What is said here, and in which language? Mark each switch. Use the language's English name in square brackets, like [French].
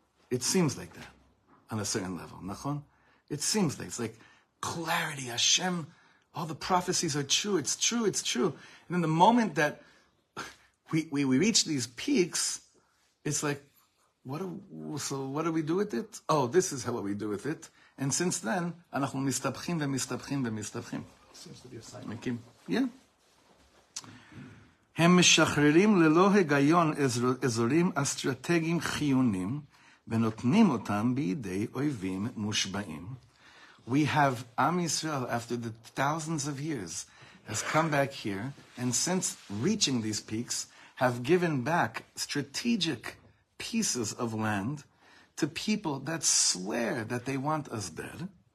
[English] It seems like that on a certain level. Nachon? It seems like it's like clarity, Hashem, all the prophecies are true. It's true, it's true. And then the moment that we reach these peaks, it's like, what do we do with it? Oh, this is how what we do with it. And since then, [Hebrew] אנחנו מסתבכים ומסתבכים ומסתבכים. [English] Seems to be a sign. Yeah. [Hebrew] הם משחררים ללא היגיון אזורים אסטרטגיים חיוניים ונותנים אותם בידי אויבים מושבעים. [English] We have Am Yisrael, after the thousands of years, has come back here, and since reaching these peaks, have given back strategic pieces of land to people that swear that they want us dead.